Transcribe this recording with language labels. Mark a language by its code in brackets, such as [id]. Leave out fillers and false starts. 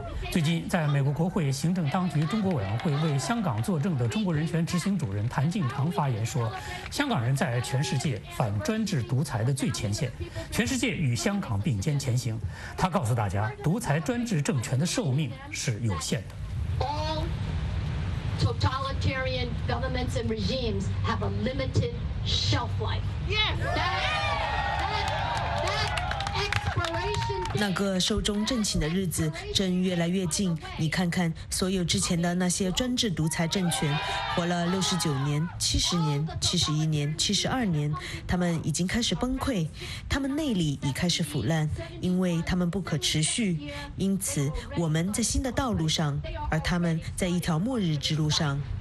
[zh] 最近在美国国会行政当局中国委员会为香港作证的中国人权执行主任谭敬常发言说，香港人在全世界反专制独裁的最前线，全世界与香港并肩前行。他告诉大家，独裁专制政权的寿命是有限的。 [en] All totalitarian governments and regimes have a limited shelf life. Yes. [zh] 那个寿终正寝的日子正越来越近，你看看所有之前的那些专制独裁政权，活了69年、70年、71年、72年，他们已经开始崩溃，他们内里已开始腐烂，因为他们不可持续，因此我们在新的道路上，而他们在一条末日之路上。